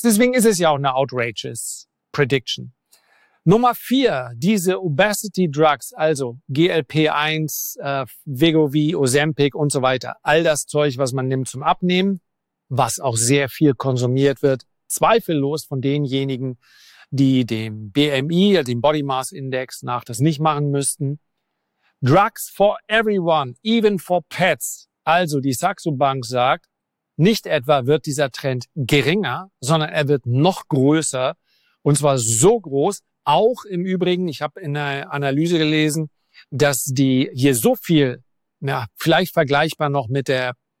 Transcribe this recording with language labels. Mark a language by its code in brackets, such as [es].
[de] Deswegen ist es ja auch eine [en] outrageous prediction. [de] Nummer 4, diese Obesity Drugs, also GLP-1, Wegovy, Ozempic und so weiter. All das Zeug, was man nimmt zum Abnehmen, was auch sehr viel konsumiert wird, zweifellos von denjenigen, die dem BMI, dem Body Mass Index nach, das nicht machen müssten. [en] Drugs for everyone, even for pets. [de] Also die Saxo Bank sagt, nicht etwa wird dieser Trend geringer, sondern er wird noch größer, und zwar so groß, auch im Übrigen, ich habe in der Analyse gelesen, dass die hier so viel, ja, vielleicht vergleichbar noch mit der